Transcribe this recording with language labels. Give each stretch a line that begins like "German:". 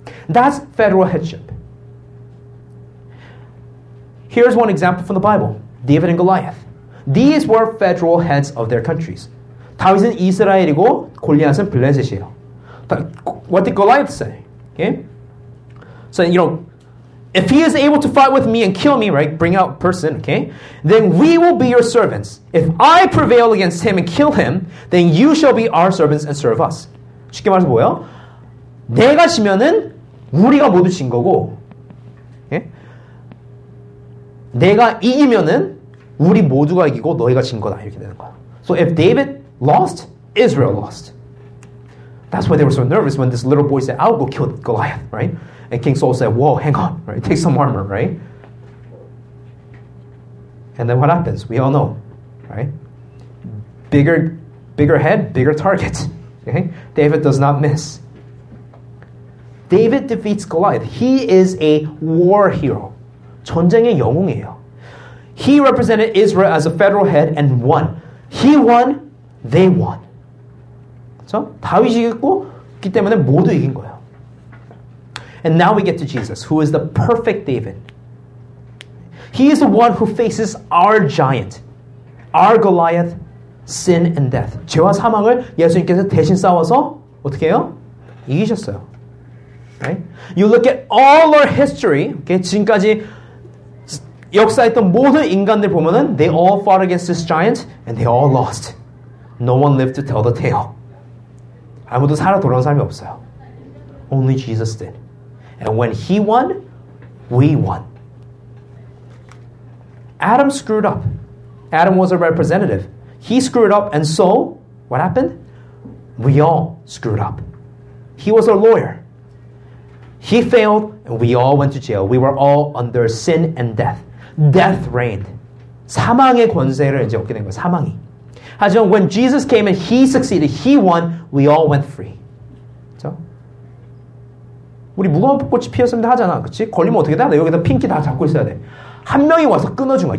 English: That's federal headship. Here's one example from the Bible. David and Goliath. These were federal heads of their countries.
Korean: 다윗은 이스라엘이고 골리앗은 블레셋이에요.
English: What did Goliath say? Okay? So, you know, if he is able to fight with me and kill me, right, bring out person, okay, then we will be your servants. If I prevail against him and kill him, then you shall be our servants and serve us.
Korean: 쉽게 말해서 뭐예요? 내가 지면은 우리가 모두 진 거고, okay? 내가 이기면은 우리 모두가 이기고 너희가 진 거다. 이렇게 되는 거야.
English: So if David lost, Israel lost. That's why they were so nervous when this little boy said, I'll go kill Goliath, right? And King Saul said, whoa, hang on, right? Take some armor, right? And then what happens? We all know, right? Bigger head, bigger target, okay? David does not miss. David defeats Goliath. He is a war hero.
Korean: 전쟁의 영웅이에요.
English: He represented Israel as a federal head and won. He won, they won. 그쵸?
Korean: 다윗이 이겼고, 그 때문에 모두 이긴 거예요.
English: And now we get to Jesus, who is the perfect David. He is the one who faces our giant, our Goliath, sin and death.
Korean: 죄와 사망을 예수님께서 대신 싸워서 어떻게 해요? 이기셨어요.
English: Right? You look at all our history, okay?
Korean: 지금까지 역사했던 모든 인간들 보면은
English: they all fought against this giant and they all lost. No one lived to tell the tale.
Korean: 아무도 살아 돌아온 사람이 없어요.
English: Only Jesus did. And when he won, we won. Adam screwed up. Adam was a representative. He screwed up, and so, what happened? We all screwed up. He was a lawyer. He failed, and we all went to jail. We were all under sin and death. Death reigned.
Korean: 사망의 권세를 이제 얻게 된 거예요. 사망이.
English: 하지만 when Jesus came and he succeeded, he won, we all went free.
Korean: 우리 무거운 벚꽃이 피었습니다 하잖아. 그치? 걸리면 어떻게 돼? 나 여기다 핀키 다 잡고 있어야 돼. 한 명이 와서 끊어준 거야.